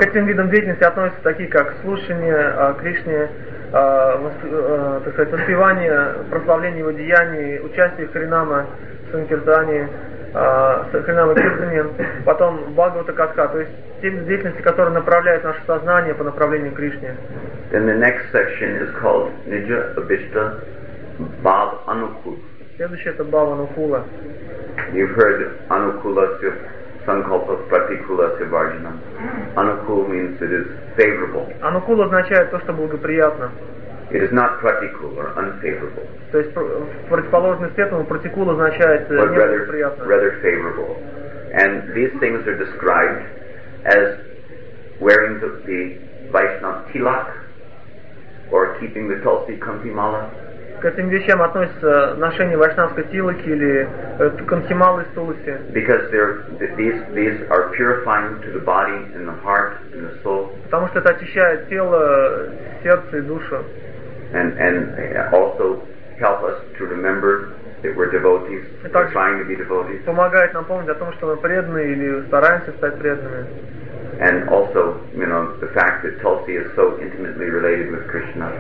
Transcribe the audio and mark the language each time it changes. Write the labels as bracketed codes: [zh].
[ru] К этим видам деятельности относятся такие, как слушание Кришне, так сказать, воспевание, прославление его деяний, участие в Харинама Санкиртане, Харинама Кирдане, потом Бхагавата Катха, то есть те деятельности, которые направляют наше сознание по направлению Кришне. [en] Then the next section is called Nija Abhishta Bhav Anukul. [ru] Следующее — это Bhav Anukula. [en] You've heard [sa] Anukula Sya Sankalpa Pratikula Sya Varjana. [en] Anukul means it is favorable. [ru] Anukula означает то, что благоприятно. [en] It is not pratikul or unfavorable. [ru] То есть противоположность этому, pratikul означает неблагоприятно. [en] Rather favorable. And these things are described as wearing the Vaishnav tilak or keeping the Tulsi Kanti Mala. [ru] К этим вещам относятся ношение вайшнавской тилаки или канхималы с тулуси. [en] Because these are purifying to the body and the heart and the soul. [ru] Потому что это очищает тело, сердце и душу. [en] And also help us to remember that we're devotees, we're trying to be devotees. [ru] Помогает нам помнить о том, что мы преданные или стараемся стать преданными. [en] And also, you know, the fact that Tulsi is so intimately related with Krishna.